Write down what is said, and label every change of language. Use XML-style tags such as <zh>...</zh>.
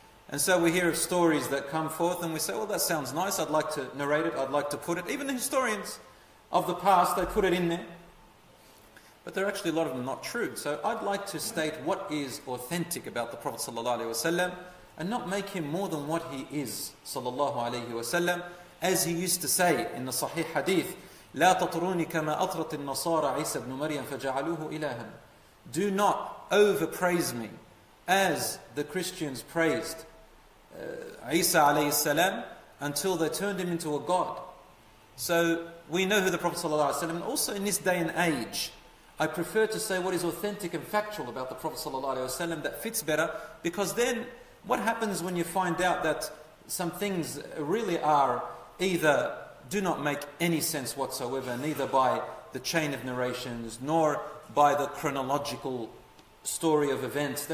<en>And so we hear of stories that come forth and we say, well, that sounds nice, I'd like to narrate it, I'd like to put it. Even the historians of the past, they put it in there. But there are actually a lot of them not true. So I'd like to state what is authentic about the Prophet sallallahu alaihi wasallam, and not make him more than what he is, sallallahu alaihi wasallam. As he used to say in the Sahih Hadith,</en> <ar>لا تطروني كما أطرت النصارى عيسى بن مريم فجعلوه إلها.</ar> <en>Do not overpraise me as the Christians praised Isa alayhi salam until they turned him into a god. So we know who the Prophet sallallahu alayhi wa sallam, and also in this day and age, I prefer to say what is authentic and factual about the Prophet sallallahu alayhi wa sallam that fits better, because then what happens when you find out that some things really are either do not make any sense whatsoever, neither by the chain of narrations nor by the chronological story of events.</en>